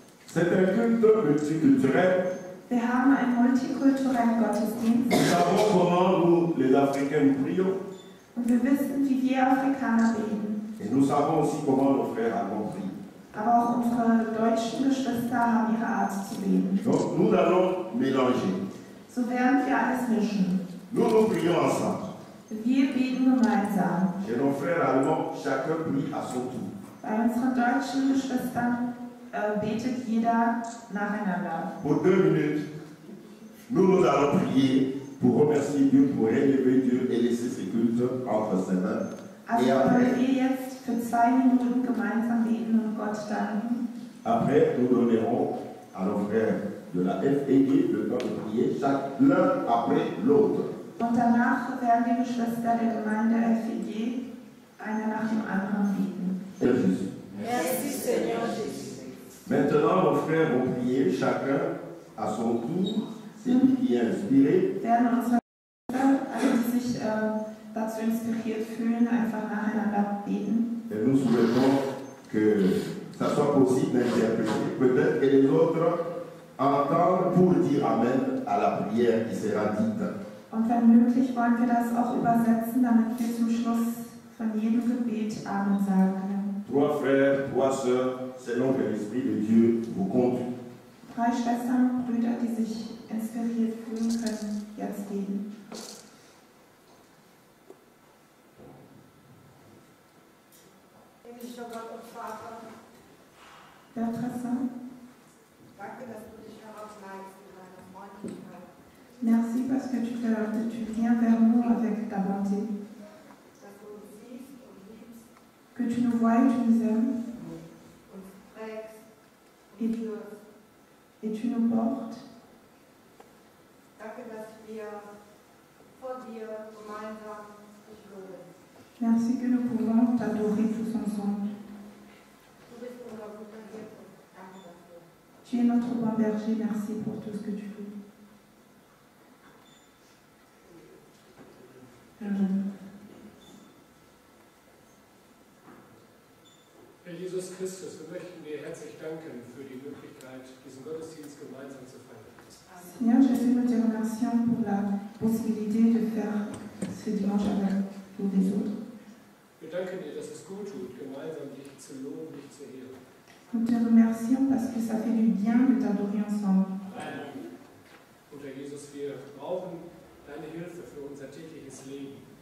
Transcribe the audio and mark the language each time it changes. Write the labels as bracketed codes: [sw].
[fr] C'est un culte multiculturel. [de] Wir haben einen multikulturellen Gottesdienst. [fr] Nous savons comment nous, les Africains, prions. [de] Und wir wissen, wie wir Afrikaner beten. [fr] Et nous savons aussi comment nos frères allemands prient. [de] Aber auch unsere deutschen Geschwister haben ihre Art zu beten. [fr] Donc, nous allons mélanger. [de] So werden wir alles mischen. [fr] Nous nous prions ensemble. [de] Wir beten gemeinsam. [fr] Et nos frères allemands, chacun prie à son tour. [de] Bei unseren deutschen Geschwistern betet jeder nacheinander. [fr] Pour deux minutes, nous allons prier pour remercier Dieu, pour élever Dieu et laisser ses cultes entre ses mains. [de] Also wollen wir jetzt für zwei Minuten gemeinsam beten und Gott danken. [fr] Après, nous donnerons à nos frères de la FEG le temps de prier, chaque l'un après l'autre. [de] Und danach werden die Geschwister der Gemeinde FEG einer nach dem anderen bieten. [fr] Merci, Merci Seigneur Jésus. Maintenant, nos frères vont prier chacun à son tour. C'est lui qui est inspiré. [de] Werden unsere Geschwister, also die sich dazu inspiriert fühlen, einfach nacheinander bieten. [fr] Et nous souhaitons que ça soit possible d'interpréter. Peut-être que les autres entendent pour dire Amen à la prière qui sera dite. [de] Und wenn möglich, wollen wir das auch übersetzen, damit wir zum Schluss von jedem Gebet Amen sagen können. [fr] Trois frères, trois sœurs, selon que l'Esprit de Dieu vous conduit. [de] Drei Schwestern, Brüder, die sich inspiriert fühlen können, jetzt beten. Himmlischer Gott und Vater. Beatrice. Danke, dass du dich herausleitest. [fr] Merci parce que tu viens vers nous avec ta bonté. Que tu nous vois et tu nous aimes. Et tu nous portes. Merci que nous pouvons t'adorer tous ensemble. Tu es notre bon berger, merci pour tout ce que tu fais. [de] Herr Jesus Christus, wir möchten dir herzlich danken für die Möglichkeit, diesen Gottesdienst gemeinsam zu feiern. [fr] Seigneur Jésus, nous te remercions pour la possibilité de faire ce dimanche avec nous les autres. [de] Wir danken dir, dass es gut tut, gemeinsam dich zu loben, dich zu ehren. [fr] Nous te remercions parce que ça fait du bien de t'adorer ensemble. [de] Und Herr Jesus, wir brauchen deine Hilfe für unser tägliches Leben.